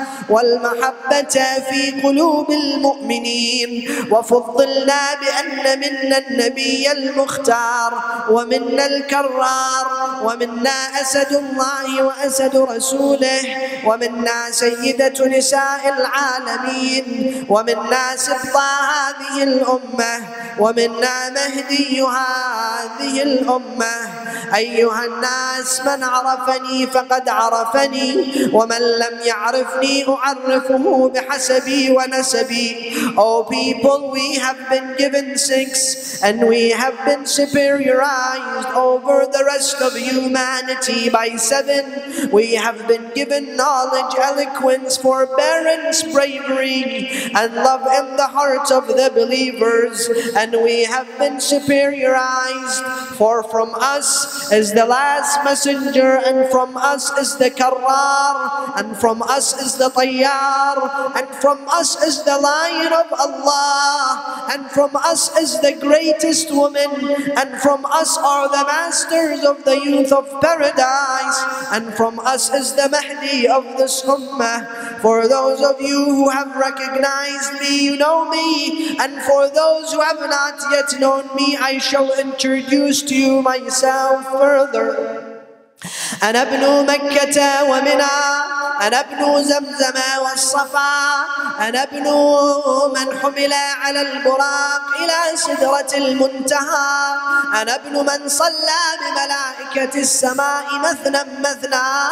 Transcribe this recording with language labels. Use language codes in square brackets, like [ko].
[ar] والمحبة في قلوب المؤمنين وفضلنا بأن منا النبي المختار ومنا الكرار ومنا أسد الله وأسد رسوله ومنا سيدة نساء العالمين ومنا سبطة هذه الأمة ومنا مهدي هذه الأمة. أيها الناس من عرفني فقد عرفني ومن لم يعرفني أعرفه بحسبي ونسبي. [en] Oh people, we have been given six and we have been superiorized over the rest of humanity by seven. We have been given knowledge, eloquence, forbearance, bravery and love in the hearts of the believers, and we have been superiorized, for from us is the last messenger, and from us is the karrar, and from us is the tayyar, and from us is the lion of Allah, and from us is the greatest woman, and from us are the masters of the youth of paradise, and from us is the mahdi of this ummah. For those of you who have recognized me, you know me, and for those who have not yet known me, I shall introduce to you myself further. [ar] أنا ابن مكة ومنى، أنا ابن زمزم والصفا، أنا ابن من حمل على البراق إلى سدرة المنتهى، أنا ابن من صلى بملائكة السماء مثنى مثنى،